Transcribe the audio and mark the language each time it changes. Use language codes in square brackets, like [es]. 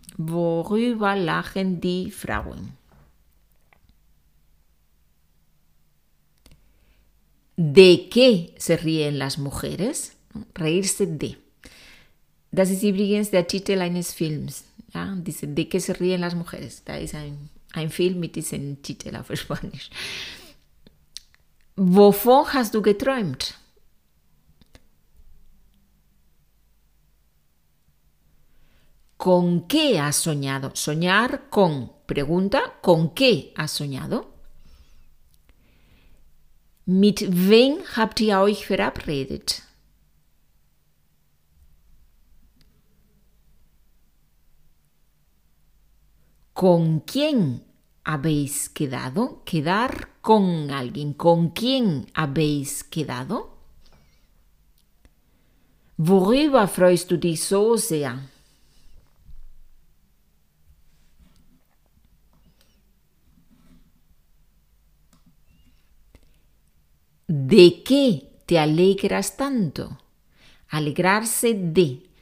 [de] ¿Worüber lachen die Frauen? [es] ¿De qué se ríen las mujeres? Reírse de. [de] Das ist übrigens der Titel eines Films. [es] ¿Ya? Dice, ¿de qué se ríen las mujeres? [de] Da ist ein Film mit diesem Titel auf Spanisch. Wovon hast du geträumt? [es] ¿Con qué has soñado? Soñar con. Pregunta, ¿con qué has soñado? [de] ¿Mit wem habt ihr euch verabredet? [es] ¿Con quién habéis quedado? Quedar con alguien. ¿Con quién habéis quedado? [de] ¿Worüber freust du dich so sehr? [es] ¿De qué te alegras tanto? Alegrarse de.